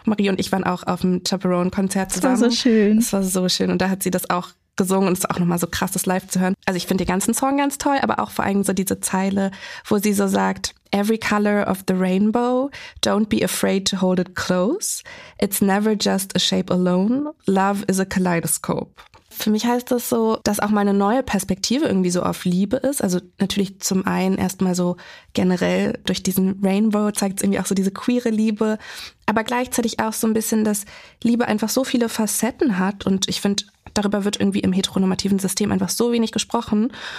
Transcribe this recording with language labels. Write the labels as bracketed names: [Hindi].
[German] Marie und ich waren auch auf dem Chapel Roan Konzert zusammen. Das war so schön. Das war so schön. Und da hat sie das auch gesungen und es ist auch nochmal so krass, das live zu hören. Also ich finde den ganzen Song ganz toll, aber auch vor allem so diese Zeile, wo sie so sagt, [English] every color of the rainbow, don't be afraid to hold it close. It's never just a shape alone. Love is a kaleidoscope. [German] Für mich heißt das so, dass auch meine neue Perspektive irgendwie so auf Liebe ist. Also natürlich zum einen erstmal so generell durch diesen Rainbow zeigt es irgendwie auch so diese queere Liebe. Aber gleichzeitig auch so ein bisschen, dass Liebe einfach so viele Facetten hat. Und ich finde, darüber wird irgendwie im heteronormativen System einfach so wenig gesprochen.